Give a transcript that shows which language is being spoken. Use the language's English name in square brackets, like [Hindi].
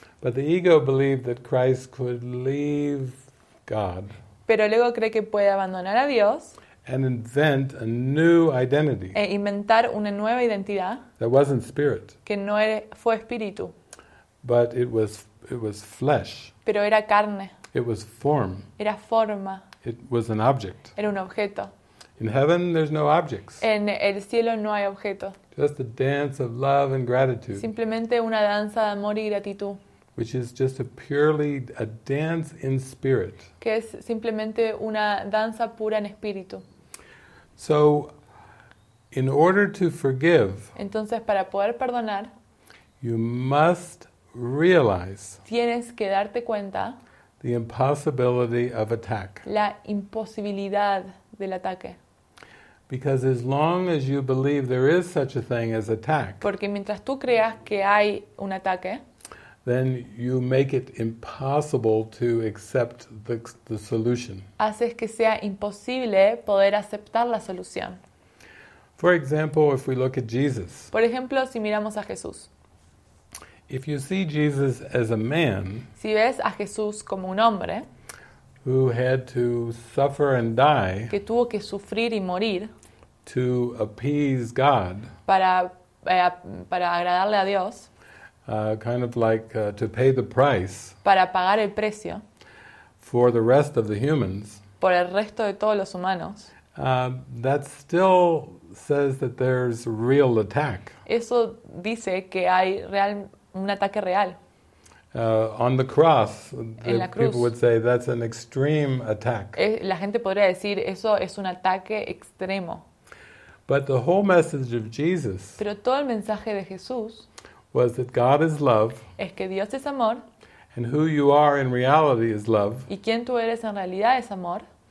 [English] But the ego believed that Christ could leave God. [Spanish] Pero el ego cree que puede abandonar a Dios. [English] And invent a new identity. [Spanish] E inventar una nueva identidad. [English] That wasn't spirit. [Spanish] Que no era, fue espíritu. [English] But it was flesh. [Spanish] Pero era carne. [English] It was form. [Spanish] Era forma. [English] It was an object. [Spanish] Era un objeto. [English] In heaven there's no objects. [Spanish] En el cielo no hay objeto. [English] Just a dance of love and gratitude. [Spanish] Simplemente una danza de amor y gratitud. [English] Which is just a purely a dance in spirit. [Spanish] Que es simplemente una danza pura en espíritu. [English] So, in order to forgive, [Spanish] entonces para poder perdonar, [English] you must realize, [Spanish] tienes que darte cuenta, [English] the impossibility of attack. [Spanish] La imposibilidad del ataque. [English] Because as long as you believe there is such a thing as attack, [Spanish] porque mientras tú creas que hay un ataque, [English] then you make it impossible to accept the solution. [Spanish] Haces que sea imposible poder aceptar la solución. [English] For example, if we look at Jesus. [Spanish] Por ejemplo, si miramos a Jesús. [English] If you see Jesus as a man, [Spanish] si ves a Jesús como un hombre, [English] who had to suffer and die, [Spanish] que tuvo que sufrir y morir, [English] to appease God, [Spanish] para agradarle a Dios, [English] to pay the price, [Spanish] para pagar el precio, [English] for the rest of the humans, [Spanish] por el resto de todos los humanos, [English] that still says that there's real attack. [Spanish] Eso dice que hay real, un ataque real. [English] On the cross, [Spanish] en la cruz, [English] people would say that's an extreme attack. [Spanish] La gente podría decir eso es un ataque extremo. [English] But the whole message of Jesus, [Spanish] pero todo el mensaje de Jesús, [English] was that God is love. [Spanish] Es que Dios es amor. [English] And who you are in reality is love. [Spanish] Y quien tú eres en realidad es amor.